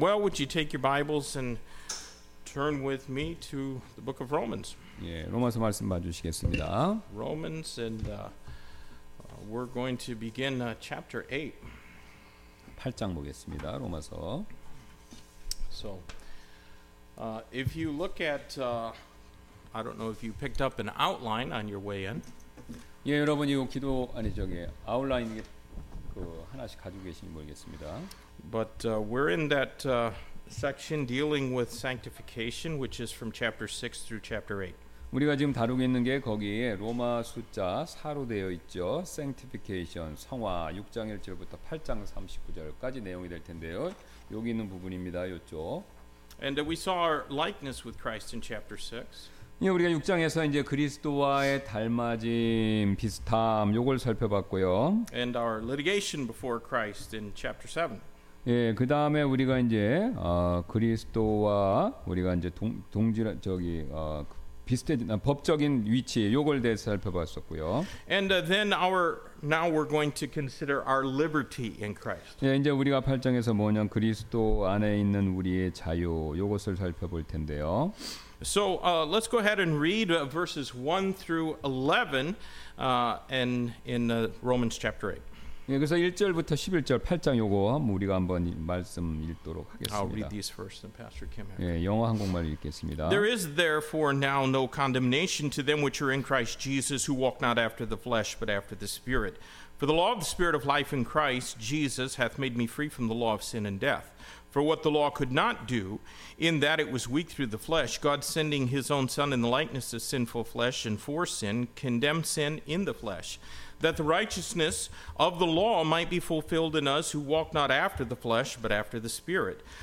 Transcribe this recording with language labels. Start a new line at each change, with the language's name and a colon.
English: Well, would you take your Bibles and turn with me to the book of Romans?
Korean: 예, 로마서 말씀 봐주시겠습니다.
English: Romans, and we're going to begin chapter 8.
Korean: 8장 보겠습니다. 로마서.
English: So, if you look at, I don't know if you picked up an outline on your way in.
Korean: 예, 여러분 이거 기도 아니 저기 아웃라인 그 하나씩 가지고 계시는지 모르겠습니다.
English: But we're in that section dealing with sanctification, which is from chapter 6 through chapter 8.
Korean: 우리가 지금 다루고 있는 게 거기에 로마 숫자 4로 되어 있죠. Sanctification, 성화, 6장 1절부터 8장 39절까지 내용이 될 텐데요. 여기 있는 부분입니다. 이쪽.
English: And we saw our likeness with Christ in chapter 6.
Korean: 예, 우리가 6장에서 이제 그리스도와의 닮아짐, 비슷함 요걸 살펴봤고요.
English: And our litigation before Christ in chapter 7.
Korean: 예, 그다음에 우리가 이제 그리스도와 우리가 이제 동질 저기 비슷해진 법적인 위치 요걸 대해서 살펴봤었고요.
English: And then our now we're going to consider our liberty in Christ.
Korean: 예, 이제 우리가 8장에서 뭐냐 그리스도 안에 있는 우리의 자유 요것을 살펴볼 텐데요.
English: So let's go ahead and read verses 1 through 11 and in Romans chapter 8.
Korean: 예, 그래서 1절부터 11절 8장 요거 우리가 한번 말씀 읽도록 하겠습니다.
English: I'll read these first and Pastor Kim.
Korean: 예, 영어 한국말 읽겠습니다.
English: There is therefore now no condemnation to them which are in Christ Jesus, who walk not after the flesh but after the Spirit. For the law of the Spirit of life in Christ Jesus hath made me free from the law of sin and death. For what the law could not do, in that it was weak through the flesh, God sending his own Son in the likeness of sinful flesh and for sin, condemned sin in the flesh, that the righteousness of the law might be fulfilled in us who walk not after the flesh, but after the Spirit.